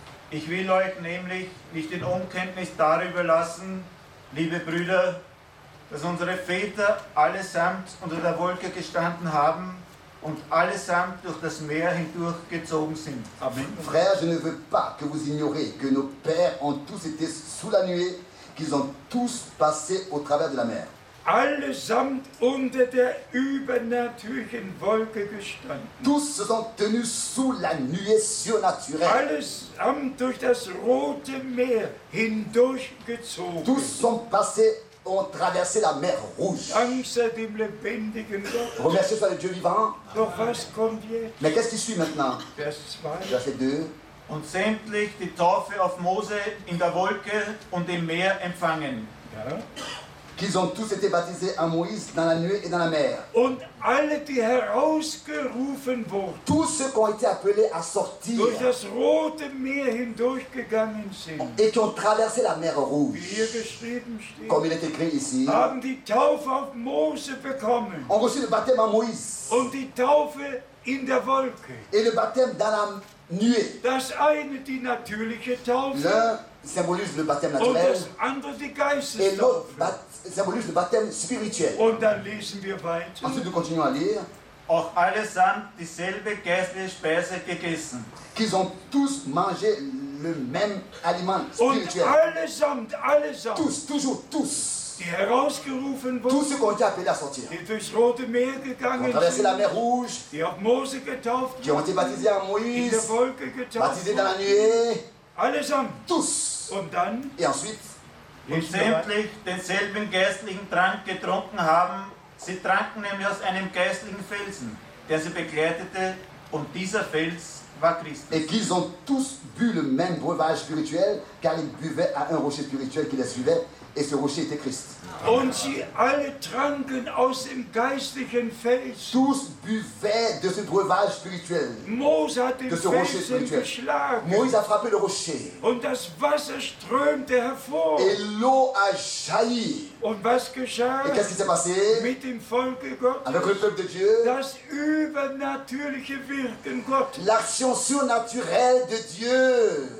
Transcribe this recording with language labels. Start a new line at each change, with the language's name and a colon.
German: Ich will euch nämlich nicht in Unkenntnis darüber lassen, liebe Brüder, dass unsere Väter allesamt unter der Wolke gestanden haben und allesamt durch das Meer hindurchgezogen sind. Amen.
French: Frère, je ne veux pas que vous ignoriez que nos pères ont tous été sous la nuée, qu'ils ont tous passé au travers de la mer.
German: Allesamt unter der übernatürlichen Wolke gestanden.
French: Tous se sont tenus sous la nuée surnaturelle.
German: Allesamt durch das Rote Meer hindurchgezogen.
French: Tous sont passés, ont traversé la mer Rouge.
German: Dank sei dem lebendigen Gott.
French: Remercié soit le Dieu vivant.
German: Doch was kommt jetzt?
French: Mais qu'est-ce qui suit maintenant? Verset 2.
German: Und sämtlich die Taufe auf Mose in der Wolke und im Meer empfangen. Ja.
French: Qu'ils ont tous été baptisés à Moïse dans la nuée et dans la mer.
German: Und alle, die herausgerufen wurden,
French: tous ceux qui ont été appelés à sortir
German: durch das Rote Meer hindurchgegangen sind,
French: et qui ont traversé la mer Rouge,
German: wie hier geschrieben steht,
French: comme il est écrit ici,
German: haben die Taufe auf Mose bekommen,
French: ont reçu le baptême à Moïse
German: und die Taufe in der Wolke,
French: et le baptême dans la nuée.
German: Das eine, die natürliche Taufe,
French: l'un symbolise le baptême naturel
German: und das andere die Geistestaufe,
French: et l'autre baptême. Symbolise le baptême spirituel.
German: Und dann lesen wir weiter.
French: Ensuite, nous continuons à lire.
German: Auch allesamt dieselbe geistliche Speise gegessen.
French: Qu'ils ont tous mangé le même aliment spirituel.
German: Und allesamt, allesamt.
French: Tous, toujours, tous.
German: Die herausgerufen wurden,
French: tous ceux qui ont été appelés à sortir,
German: die durchs Rote Meer gegangen
French: sind, traversé la mer Rouge,
German: die auf Mose getauft
French: qui ont été baptisés à Moïse,
German: in der Wolke getauft
French: baptisés dans la nuée,
German: allesamt.
French: Tous.
German: Und dann,
French: et ensuite,
German: und sämtlich denselben geistlichen Trank getrunken haben. Sie tranken nämlich aus einem geistlichen Felsen, der sie begleitete, und dieser Fels war Christus.
French: Et qu'ils ont tous bu le même breuvage spirituel, car ils buvaient à un rocher spirituel qui les suivait, et ce rocher était Christ.
German: Und sie alle tranken aus dem geistlichen Felsen.
French: Tous buvaient de ce breuvage spirituel.
German: Mose hat den Felsen geschlagen.
French: Moïse a frappé le rocher.
German: Und das Wasser strömte hervor.
French: Et l'eau a jailli.
German: Und was geschah?
French: Et qu'est-ce qui s'est passé?
German: Mit dem Volke Gottes.
French: Avec le peuple de Dieu.
German: Das übernatürliche Wirken Gottes.
French: L'action surnaturelle de Dieu.